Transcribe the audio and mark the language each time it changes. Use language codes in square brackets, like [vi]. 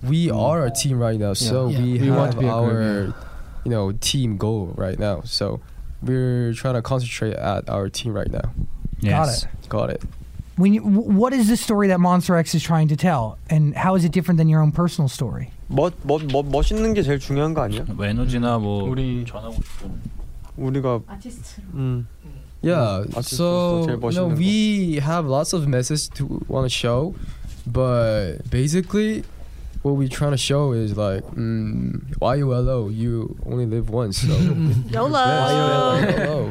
[en] We are a team right now, we want to be our you know, team goal right now. So we're trying to concentrate at our team right now. Got it. What is the story that Monster X is trying to tell, and how is it different than your own personal story? [ko] 뭐 멋있는 게 제일 중요한 거 아니야? 뭐 에너지나 뭐 우리 전하고 싶은 우리가 아티스트로. [en] We have lots of messages to want to show, but basically what we're trying to show is like, YOLO, you only live once, so. YOLO!